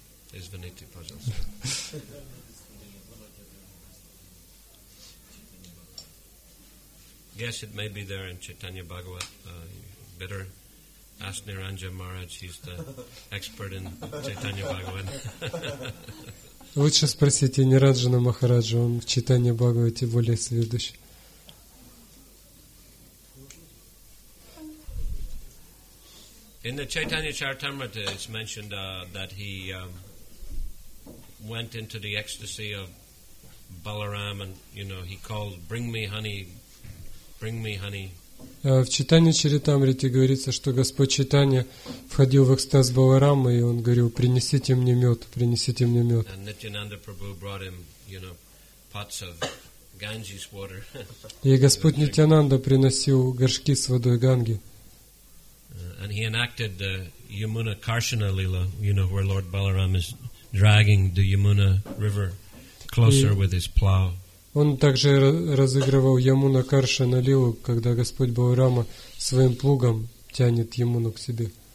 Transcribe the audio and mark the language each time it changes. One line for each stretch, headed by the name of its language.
Russian: Извините, пожалуйста.
English: Yes, it may be there in Chaitanya Bhagavat. Better ask Niranjan Maharaj, he's the expert in Chaitanya Bhagavat.
Russian: Лучше спросите Нираджана Махараджа, он в Чайтанье Бхагавате более сведущ.
English: In the Chaitanya Charitamrita it's mentioned that he went into the ecstasy of Balaram and, you know, he called, bring me honey, bring me honey.
Russian: В Чайтанье Чаритамрите говорится, что Господь Чайтанья входил в экстаз Баларамы, и он говорил, принесите мне мед, принесите мне мед.
English: And Nityananda Prabhu brought him, you know, pots of Ganges water.
Russian: И Господь Нитянанда приносил горшки с водой Ганги.
English: And he enacted the Yamuna Karshana Lila, you know, where Lord Balaram is dragging the Yamuna River closer with his plow.
Russian: Он также разыгрывал Ямуна Каршана Лилу, когда Господь Баларама своим плугом тянет Ямуну к себе.